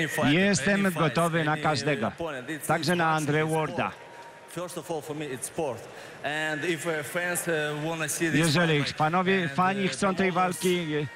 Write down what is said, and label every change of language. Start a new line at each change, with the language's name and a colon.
Polish: Jestem gotowy na każdego, także na Andre Warda.
English: First of all, for me, it's sport. And if fans want to see this,
Polish: jeżeli panowie fani chcą tej walki,